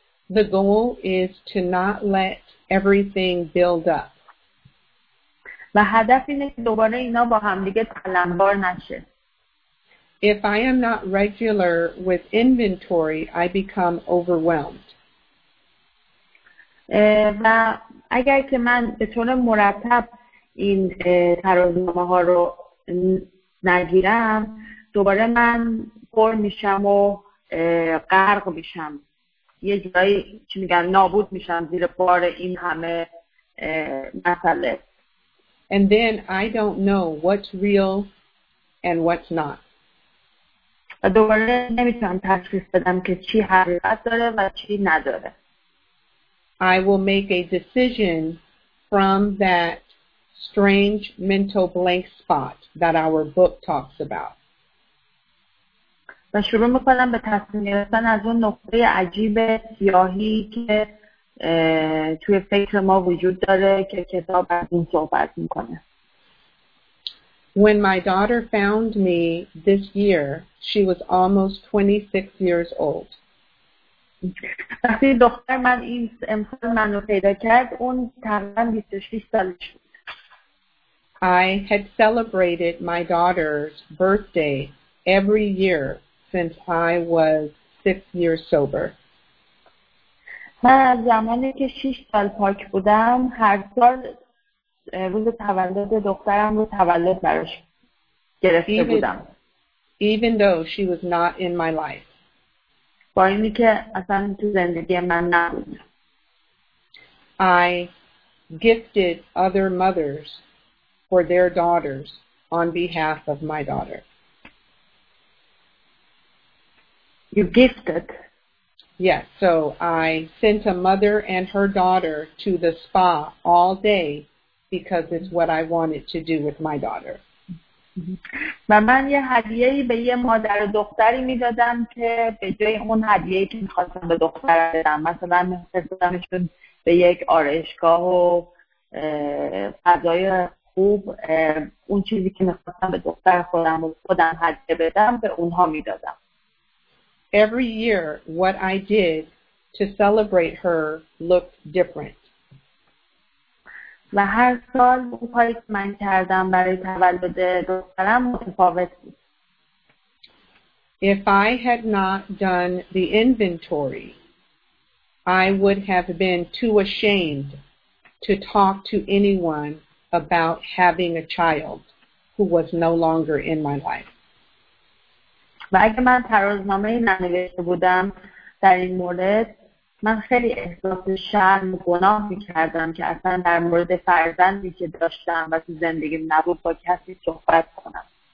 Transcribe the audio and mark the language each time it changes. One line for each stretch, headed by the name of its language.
English: The goal is to not let everything build up.
Persian: و هدف اینه که دوباره اینا با هم دیگه تلمبار نشه.
English: If I am not regular with inventory, I become overwhelmed.
Persian: و اگر که من به طور مرتب این ترازنامه ها رو نگیرم، دوباره من پر میشم و غرق میشم. یه جایی چی میگن نابود میشم زیر بار این همه مسئله.
English: And then I don't know what's real and what's not.
Persian: و دوباره نمیتونم تشخیص بدم که چی حقیقت داره و چی نداره.
English: I will make a decision from that strange mental blank spot that our book talks about.
Persian: و شروع میکنم به تصمیم گرفتن از اون نقطه عجیب سیاهی که توی فکر ما وجود داره که کتاب از اون صحبت میکنه.
English: When my daughter found me this year, she was almost 26 years old.
Persian: وقتی دختر من این امسال منو پیدا کرد، اون تقریباً 26 سالش بود.
English: I had celebrated my daughter's birthday every year since I was 6 years sober.
Persian: من از زمانی که 6 سال پاک بودم، هر سال روز تولد دخترم رو تولد براش گرفته بودم.
English: Even though she was not in my life.
Persian: با اینی که اصلا تو زندگی من نبود.
English: I gifted other mothers for their daughters on behalf of my daughter. You gifted? Yes, so I sent a mother and her daughter to the spa all day because it's what I wanted to do with my daughter.
Persian: و من یه هدیه‌ای به یه مادر و دختری میدادم که به جای اون هدیه‌ای که میخواستم به دختر بدم، مثلا میفرستادمشون به یک آرایشگاه و فضای خوب، اون چیزی که میخواستم به دختر خودم و خودم هدیه بدم به اونها میدادم.
English: Every year what I did to celebrate her looked different.
Persian: و هر سال اون کاری که من کردم برای تولد دخترم متفاوت بود.
English: If I had not done the inventory, I would have been too ashamed to talk to anyone about having a child who was no longer in my life.
Persian: و اگه من ترازنامه ننوشته بودم در این مورد، من خیلی احساس شرم و گناه می‌کردم که اصلا در مورد فرزندی که داشتم و تو زندگیم نبود با کسی صحبت کنم.